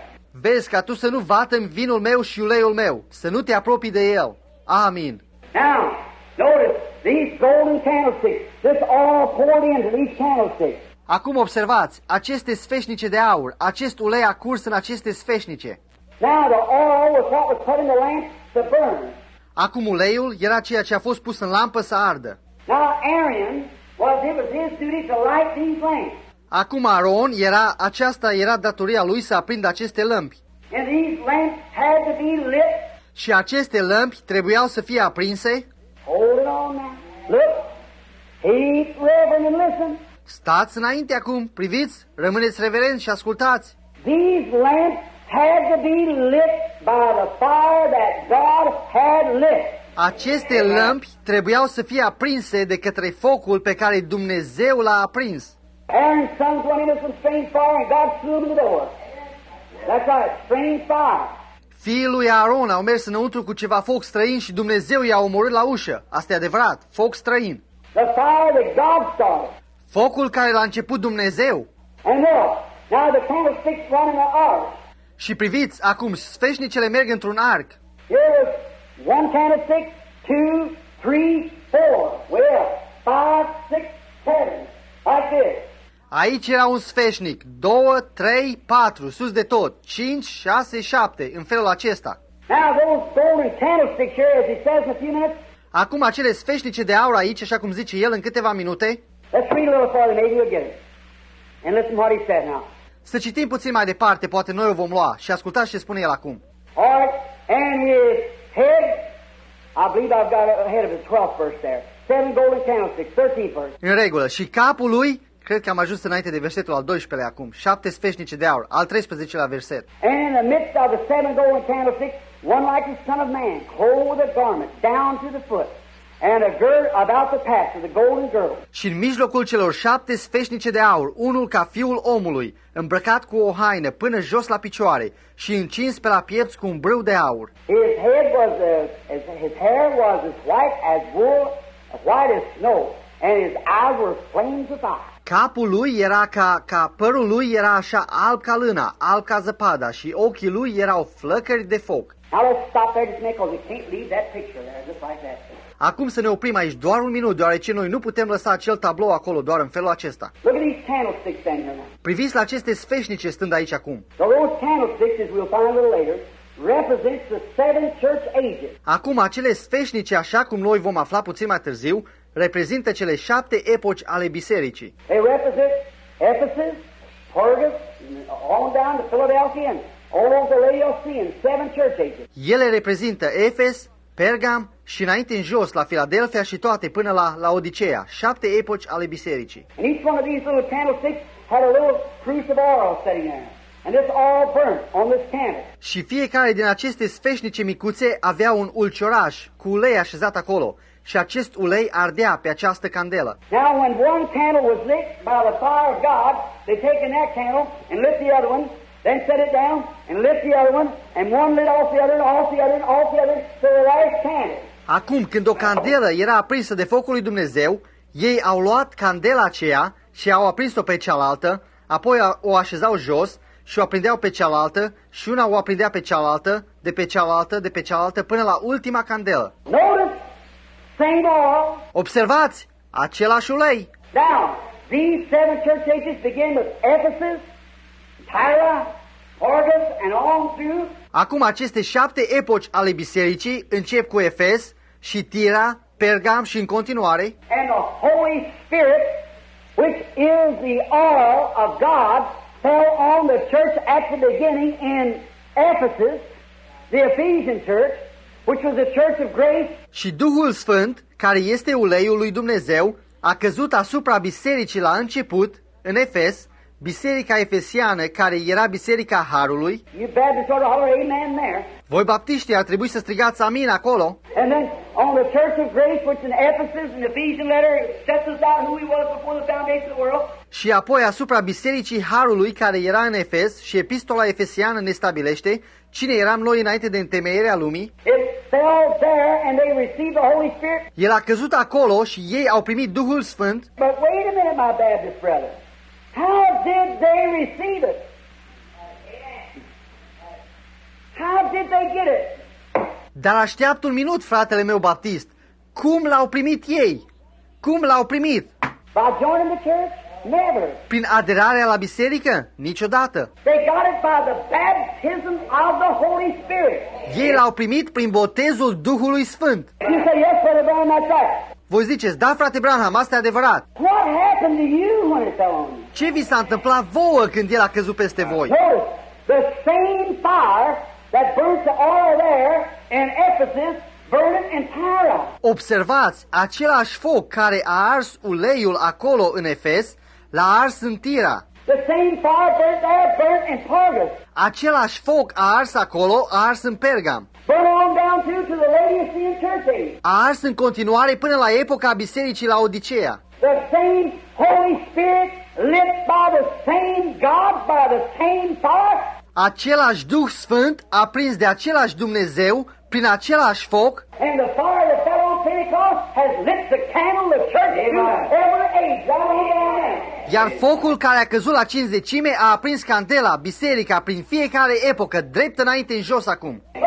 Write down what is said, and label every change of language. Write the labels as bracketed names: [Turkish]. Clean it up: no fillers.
[Romanian] Vezi ca tu să nu vată vinul meu și uleiul meu, să nu te apropii de el. Amin. [English] Now, notice these golden candlesticks. This all poured into these candlesticks. [Romanian] Acum observați, aceste sfeșnice de aur, acest ulei a curs în aceste sfeșnice. [English] Now the oil was what was put in the lamp to burn. [Romanian] Acum uleiul era ceea ce a fost pus în lampă să ardă. [English] Now Aaron was, it was his duty to light these lamps. [Romanian] Acum Aaron era, aceasta era datoria lui să aprindă aceste lămpi. [English] And these lamps had to be lit. [Romanian] Și aceste lămpi trebuiau să fie aprinse. [English] Hold it on now. Look, keep reverent and listen. [Romanian] Stați înainte acum, priviți, rămâneți reverenți și ascultați. [English] These lamps had to be lit by the fire that God had lit. [Romanian] Aceste lămpi trebuiau să fie aprinse de către focul pe care Dumnezeu l-a aprins. [English] Aaron's sons went into some strange fire and God threw them in the door. That's right, strange fire. [Romanian] Fiii lui Aaron au mers înăuntru cu ceva foc străin și Dumnezeu i-a omorât la ușă. Asta e adevărat, foc străin. [English] The fire that God started. [Romanian] Focul care l-a început Dumnezeu. [English] And now the candlesticks run in an arc. [Romanian] Și priviți, acum sfeșnicele merg într-un arc. [English] Here is one candlestick, two, three, four. Well, five, six, seven. Like this. [Romanian] Aici era un sfeșnic. Două, trei, patru, sus de tot. Cinci, șase, șapte, în felul acesta. [English] Now those golden candlesticks here, as he says in a few minutes. [Romanian] Acum acele sfeșnice de aur aici, așa cum zice el, în câteva minute. [English] Let's read a little farther, maybe you'll get it. And listen what he said now. [Romanian] Să citim puțin mai departe, poate noi o vom lua și ascultați ce spune el acum. [English] All right, and his head, I believe I've got ahead of the 12th verse there. 7 golden candlesticks, 13 verse. [Romanian] În regulă, și capul lui, cred că am ajuns înainte de versetul al 12-lea acum, 7 sfeșnice de aur, al 13-lea verset. [English] And in the midst of the 7 golden candlesticks, one like the son of man, clothed with a garment, down to the foot. And a girdle about the paps of the golden girdle. [Romanian] Și în mijlocul celor 7 sfeșnice de aur, unul ca fiul omului, îmbrăcat cu o haină până jos la picioare și încins pe la piepți cu un brâu de aur. [English] His head was his hair was as white as wool, white as snow, and his eyes were flames of fire. [Romanian] Capul lui era ca părul lui era așa alb ca lâna, alb ca zăpada și ochii lui erau flăcări de foc. [English] Now let's stop there just a minute, because we can't leave that picture there just like that. [Romanian] Acum să ne oprim aici doar un minut, deoarece noi nu putem lăsa acel tablou acolo doar în felul acesta. [English] Look at these candlesticks standing here now. [Romanian] Priviți la aceste sfeșnice stând aici acum. [English] So those candlesticks, as we'll find a little later, represent the seven church ages. [Romanian] Acum acele sfeșnice, așa cum noi vom afla puțin mai târziu, reprezintă cele 7 epoci ale bisericii. [English] They represent Ephesus, Pergamus, all down to Philadelphia, all over the Laodicea, seven church ages. [Romanian] Ele reprezintă Efes, Pergam și înainte în jos la Filadelfia și toate până la Laodicea, 7 epoci ale bisericii. [English] And each one of these little candlesticks had a little crucible oil setting there. And it's all burnt on this candle. [Romanian] Și fiecare din aceste sfeșnice micuțe avea un ulcioraș cu ulei așezat acolo și acest ulei ardea pe această candelă. [English] Now when one candle was lit by the fire of God, they taken that candle and lit the other one. Then set it down and lift the other one, and one lit off the other, off the other, off the other, so the last candle. [Romanian] Acum, când o candelă era aprinsă de focul lui Dumnezeu, ei au luat candela aceea și au aprins-o pe cealaltă, apoi o așezau jos și o aprindeau pe cealaltă, și una o aprindea pe cealaltă, de pe cealaltă, de pe cealaltă, până la ultima candelă. [English] Notice, same ball. [Romanian] Observați, același ulei. [English] Now, these seven church ages begin with Ephesus, Tyra, Pergamus, and on through. [Romanian] Acum aceste 7 epoci ale bisericii încep cu Efes și Tira, Pergam și în continuare. [English] And the Holy Spirit, which is the oil of God, fell on the church at the beginning in Ephesus, the Ephesian church, which was the church of grace. [Romanian] Și Duhul Sfânt, care este uleiul lui Dumnezeu, a căzut asupra bisericii la început în Efes. Biserica efesiană, care era biserica Harului. [English] You Baptists ought to holler amen there. [Romanian] Voi baptiștii ar trebui să strigați amin acolo. [English] And then on the church of grace which in Ephesus in the Ephesian letter sets us out who we were before the foundation of the world. [Romanian] Și apoi asupra bisericii Harului care era în Efes și epistola efesiană ne stabilește cine eram noi înainte de întemeierea lumii. [English] It fell there and they received the Holy Spirit. [Romanian] El a căzut acolo și ei au primit Duhul Sfânt. [English] But wait a minute, my Baptist brother. How did they receive it? How did they get it? [Romanian] Dar așteaptă un minut, fratele meu baptist. Cum l-au primit ei? Cum l-au primit? [English] By joining the church? Never. [Romanian] Prin aderarea la biserică? Niciodată. [English] They got it by the baptism of the Holy Spirit. [Romanian] Ei l-au primit prin botezul Duhului Sfânt. [English] You say yes, brother Branham, that's right. [Romanian] Voi ziceți, da, frate Branham, asta e adevărat. [English] What happened to you when it fell on you? [Romanian] Ce vi s-a întâmplat vouă când el a căzut peste voi? [English] The same fire that burnt the oil there in Ephesus burned in Tyre. [Romanian] Observați, același foc care a ars uleiul acolo în Efes, l-a ars în Tira. [English] The same fire burnt there burnt in Pergamus. [Romanian] Același foc a ars acolo, a ars în Pergam. [English] Burn on down to the Laodicean church. [Romanian] A ars în continuare până la epoca bisericii Laodicea. [English] The same Holy Spirit lit by the same God by the same fire. [Romanian] Același Duh Sfânt aprins de același Dumnezeu prin același foc. [English] And the fire that fell on Pentecost has lit the candle of church to ever age. [Romanian] Iar focul care a căzut la cinzecime a aprins candela, biserica, prin fiecare epocă, drept înainte în jos acum.